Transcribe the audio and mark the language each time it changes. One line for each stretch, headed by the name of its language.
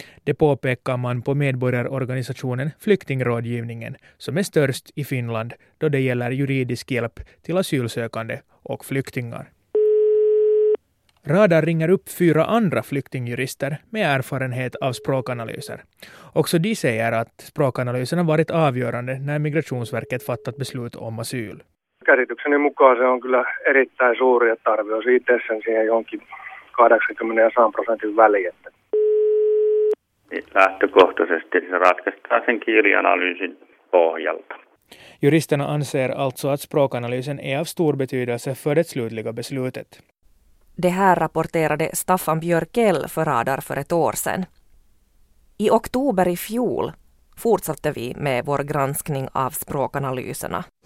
Swedish: Det påpekar man på medborgarorganisationen Flyktingrådgivningen, som är störst i Finland då det gäller juridisk hjälp till asylsökande och flyktingar. Radar ringer upp 4 andra flyktingjurister med erfarenhet av språkanalyser. Också de säger att språkanalyserna varit avgörande när Migrationsverket fattat beslut om asyl.
Finnish: Käsitykseni mukaan se on kyllä erittäin suuri, että arvioisi itsessään siihen jonkin 80% väliin. Lähtökohtaisesti se ratkaistaan sen kielianalyysin pohjalta.
Swedish: Juristerna anser alltså att språkanalysen är av stor betydelse för det slutliga beslutet. Det här rapporterade Staffan Björkell för Radar för ett år sedan. I oktober i fjol fortsatte vi med vår granskning av språkanalyserna.